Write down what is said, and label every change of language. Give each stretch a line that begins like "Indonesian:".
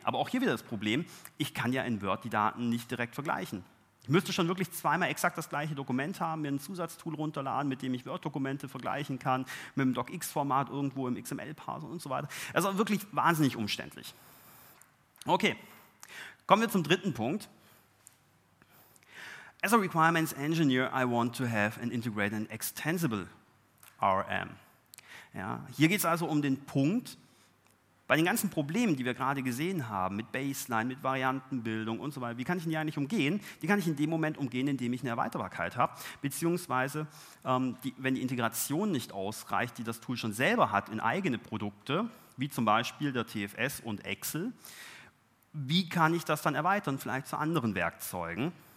German: Aber auch hier wieder das Problem, ich kann ja in Word die Daten nicht direkt vergleichen. Ich müsste schon wirklich zweimal exakt das gleiche Dokument haben, mir ein Zusatztool runterladen, mit dem ich Word-Dokumente vergleichen kann, mit dem DocX-Format irgendwo im XML-Parser und so weiter. Also wirklich wahnsinnig umständlich. Okay, kommen wir zum dritten Punkt.
English: As a requirements engineer, I want to have an integrated and extensible RM.
German: Ja, hier geht es also um den Punkt, bei den ganzen Problemen, die wir gerade gesehen haben, mit Baseline, mit Variantenbildung und so weiter, wie kann ich die eigentlich umgehen? Die kann ich in dem Moment umgehen, indem ich eine Erweiterbarkeit habe, beziehungsweise wenn die Integration nicht ausreicht, die das Tool schon selber hat in eigene Produkte, wie zum Beispiel der TFS und Excel, wie kann ich das dann erweitern, vielleicht zu anderen Werkzeugen?